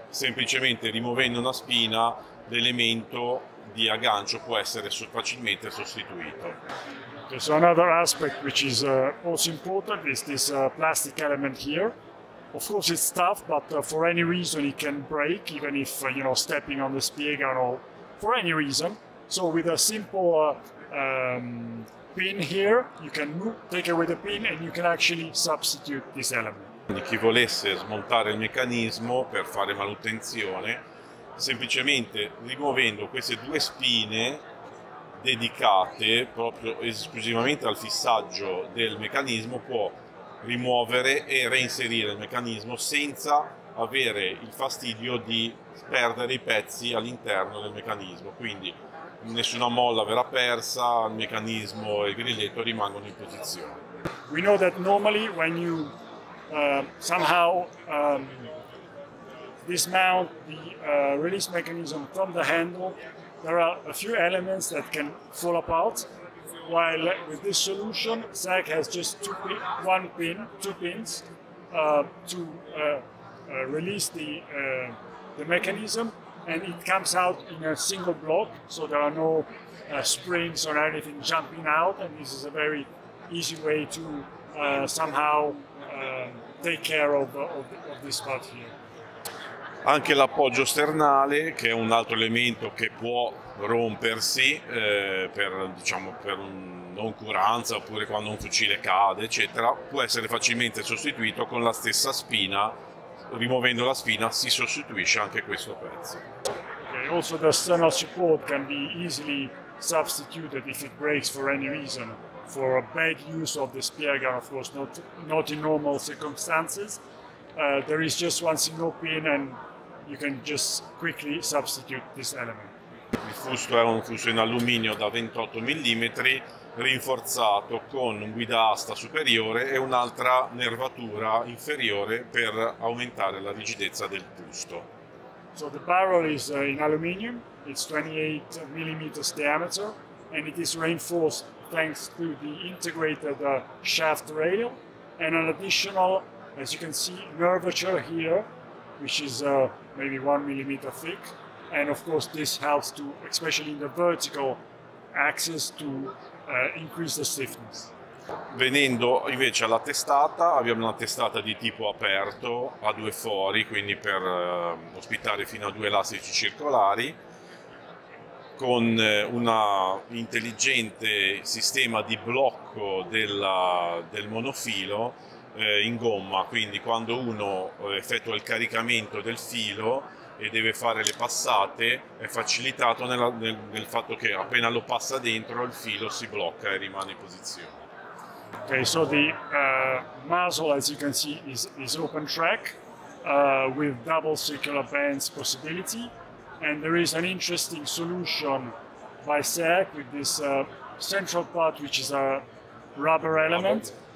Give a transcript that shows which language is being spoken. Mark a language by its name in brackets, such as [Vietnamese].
[Italian] Semplicemente rimuovendo una spina, l'elemento di aggancio può essere facilmente sostituito. [English] So another aspect which is also important is this plastic element here. Of course it's tough, but for any reason it can break, even if you know, stepping on the spear gun or for any reason. So with a simple pin here, you can take away the pin and you can actually substitute this element. [Italian] Quindi chi volesse smontare il meccanismo per fare manutenzione, semplicemente rimuovendo queste due spine dedicate proprio esclusivamente al fissaggio del meccanismo, può rimuovere e reinserire il meccanismo senza avere il fastidio di perdere i pezzi all'interno del meccanismo. Quindi nessuna molla verrà persa, il meccanismo e il grilletto rimangono in posizione. [English] We know that normally when you somehow dismount the release mechanism from the handle, there are a few elements that can fall apart. While with this solution, Zach has just two pins to release the mechanism, and it comes out in a single block, so there are no springs or anything jumping out, and this is a very easy way to somehow take care of this part here. [Italian] Anche l'appoggio sternale, che è un altro elemento che può rompersi per noncuranza oppure quando un fucile cade, eccetera, può essere facilmente sostituito con la stessa spina. Rimuovendo la spina si sostituisce anche questo pezzo. [English] Okay, also the external support can be easily substituted if it breaks for any reason. For a bad use of the spear gun, of course, not in normal circumstances. There is just one single pin and you can just quickly substitute this element. [Italian] Il fusto è un fusto in alluminio da 28 mm rinforzato con un guidasta superiore e un'altra nervatura inferiore per aumentare la rigidezza del fusto. [English] So the barrel is in aluminium, it's 28 mm diameter and it is reinforced thanks to the integrated shaft rail and an additional, as you can see, nervature here, which is maybe 1 millimeter thick, and of course this helps to, especially in the vertical axis, to increase the stiffness. [Italian] Venendo invece alla testata, abbiamo una testata di tipo aperto a due fori, quindi per ospitare fino a due elastici circolari, con un intelligente sistema di blocco del monofilo in gomma, quindi quando uno effettua il caricamento del filo e deve fare le passate è facilitato nel fatto che appena lo passa dentro il filo si blocca e rimane in posizione. [English] Okay, so the muzzle, as you can see, is open track with double circular bends possibility, and there is an interesting solution by SAC with this central part, which is a rubber element.